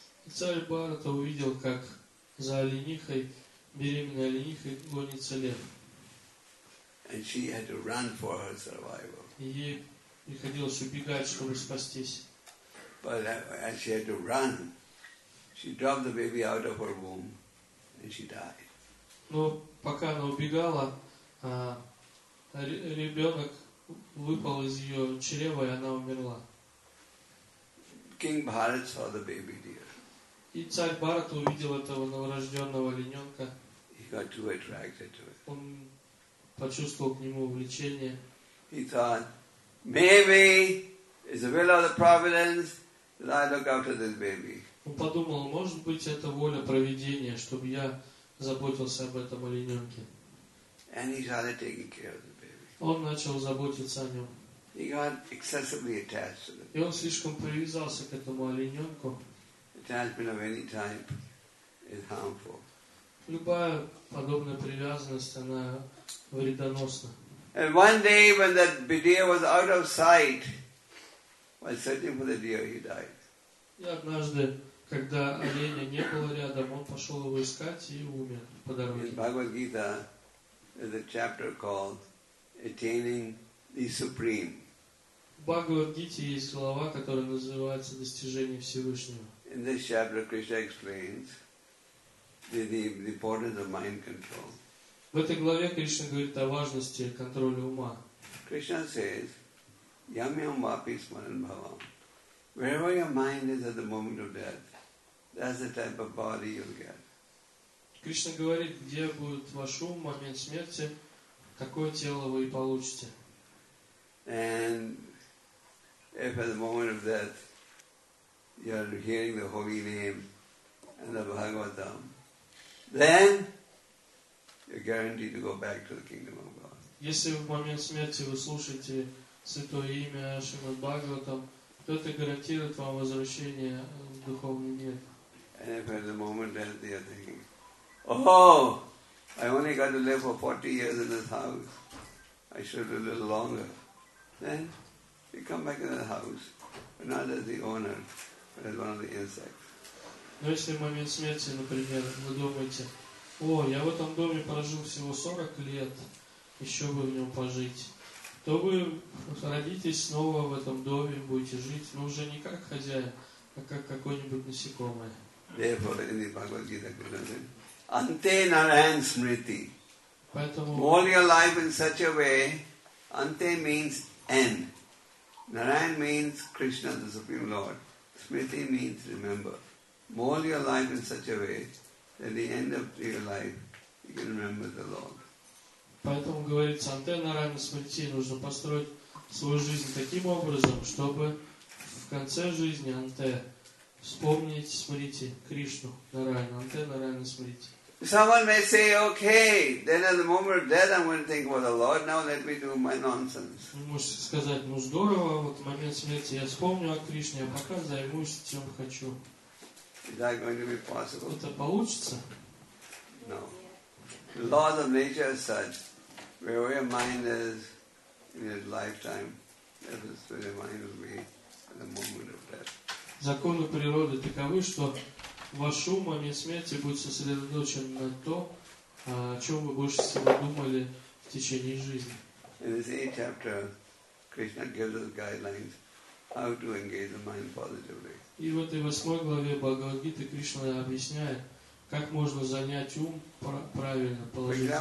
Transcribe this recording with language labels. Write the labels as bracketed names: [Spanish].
[Russian] Царь Бхарата увидел, как за оленихой, беременной оленихой гонится лев. [English] And she had to run for her survival. [Russian] Приходилось убегать, чтобы спастись. [English] But as she had to run, she dropped the baby out of her womb, and she died. [Russian] Но пока она убегала, ребенок выпал из ее чрева, и она умерла. [English] King Bharat saw the baby deer. [Russian] И царь Бхарат увидел этого новорожденного олененка. [English] He got too attracted to it. [Russian] Он почувствовал к нему влечение. [English] He thought, maybe it's the will of the providence that I look after this baby. [Russian] Он подумал, может быть, это воля провидения, чтобы я заботился об этом олененке. [English] And he started taking care of the baby. [Russian] Он начал заботиться о нем. [English] He got excessively attached to the baby. [Russian] И он слишком привязался к этому олененку. [English] Attachment of any type is harmful. [Russian] Любая подобная привязанность, она вредоносна. [English] And one day when that deer was out of sight, while searching for the deer, he died. [Russian] И однажды, когда оленя не было рядом, он пошел его искать и умер по дороге. [English] In Bhagavad Gita, there's a chapter called Attaining the Supreme. [Russian] В Бхагавад Гите есть глава, которая называется Достижение Всевышнего. [English] In this chapter, Krishna explains the importance of mind control. [Russian] В этой главе Кришна говорит о важности контроля ума. [English] Krishna says, [Sanskrit] "Yam yam vapi smaran bhavam." [English] Wherever your mind is at the moment of death, that's the type of body you'll get. [Russian] Кришна говорит, где будет ваш ум в момент смерти, какое тело вы и получите. [English] And if at the moment of death you're hearing the holy name and the Bhagavatam, then you're guaranteed to go back to the kingdom of God. [Russian] Если в момент смерти вы слушаете святое имя Шримад Бхагаватам, то это гарантирует вам возвращение в духовный мир. [English] And if at the moment that they are thinking, oh, I only got to live for 40 years in this house, I should live a little longer. Then you come back into the house, but not as the owner, but as one of the insects. [Russian] Но если в момент смерти, например, вы думаете, о, я в этом доме прожил всего 40 лет, еще бы в нем пожить, то вы родитесь снова в этом доме, будете жить, но уже не как хозяин, а как какое-нибудь насекомое. [English] Therefore, in the Bhagavad Gita, Guru said, [Sanskrit] Ante Narayan Smriti. [English] All your life in such a way, Ante means end. Narayan means Krishna, the Supreme Lord. Smriti means remember. Mold your life in such a way that at the end of your life you can remember the Lord. [Russian] Поэтому говорится, [Sanskrit] Анте Нарайана Смрити, [Russian] нужно построить свою жизнь таким образом, чтобы в конце жизни Анте вспомнить, смотрите, Кришну Нарайана, Анте Нарайана Смрити. [English] Someone may say, okay, then at the moment of death I'm going to think about the Lord, now let me do my nonsense. [Russian] Вы можете сказать, ну здорово, вот в момент смерти я вспомню о Кришне, а пока займусь чем хочу. [English] Is that going to be possible? [Russian] Это получится? [English] No. The laws of nature are such, where your mind is in your lifetime, that is where your mind will be at the moment of death. [Russian] Законы природы таковы, что ваш ум о смерти будет сосредоточен на то, о чем вы больше всего думали в течение жизни. [English] In this 8th chapter, Krishna gives us guidelines how to engage the mind positively. [Russian] И в этой 8 главе Бхагавад-гиты Кришна объясняет, как можно занять ум правильно, положительно.